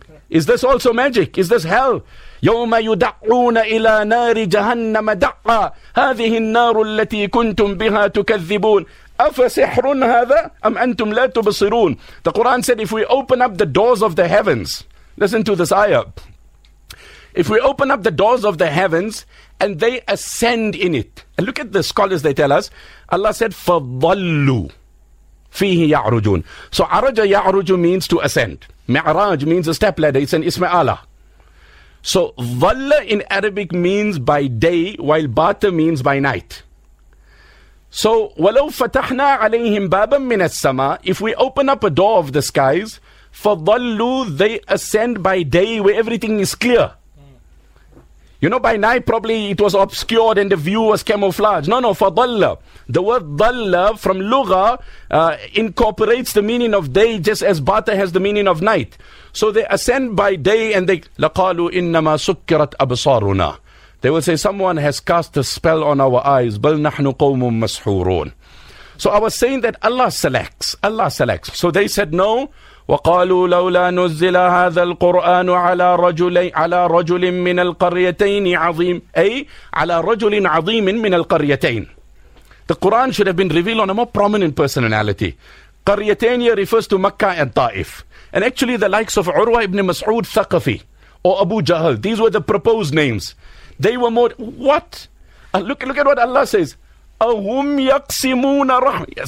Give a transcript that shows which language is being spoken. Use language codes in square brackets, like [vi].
[en] Is this also magic? Is this hell? [ar] يَوْمَ يُدَعُّونَ إِلَىٰ نَارِ جَهَنَّمَ دَعَّى هَذِهِ النَّارُ الَّتِي كُنْتُمْ بِهَا تُكَذِّبُونَ أَفَسِحْرٌ هَذَا أَمْ أَنْتُمْ لَا تُبَصِرُونَ. [en] The Quran said, if we open up the doors of the heavens, listen to this ayah. If we open up the doors of the heavens and they ascend in it. And look at the scholars, they tell us. Allah said, [ar] فَضَلُّوا فِيهِ يَعْرُجُونَ. [en] So عَرَجَ يَعْرُجُ means to ascend. Mi'raj means a step ladder. It's an Isma'ala. So dhalla in Arabic means by day, while bata means by night. So [ar] walau fatahna alayhim baban min as-sama, [en] if we open up a door of the skies, fadhallu, they ascend by day where everything is clear. You know, by night probably it was obscured and the view was camouflaged. No, fadhalla. The word dhalla from lugha incorporates the meaning of day just as bata has the meaning of night. So they ascend by day and they [ar] لَقَالُوا إِنَّمَا سُكِّرَتْ أَبْصَارُنَا. [en] They will say, someone has cast a spell on our eyes. [ar] بَلْ نَحْنُ قَوْمٌ مَسْحُورُونَ. [en] So I was saying that Allah selects. So they said, no. [ar] وَقَالُوا لَوْلَا نُزِّلَ هَذَا الْقُرْآنُ عَلَى رَجُلٍ مِّنَ الْقَرْيَتَيْنِ عَظِيمٍ. أي على رجل عظيم من القريتين. [en] The Quran should have been revealed on a more prominent personality. قريتين refers to Mecca and Taif. And actually the likes of Urwa ibn Mas'ud Thaqafi or Abu Jahl, these were the proposed names. They were more, what? Look at what Allah says. [ar] أَهُمْ يَقْسِمُونَ رَحْمًا.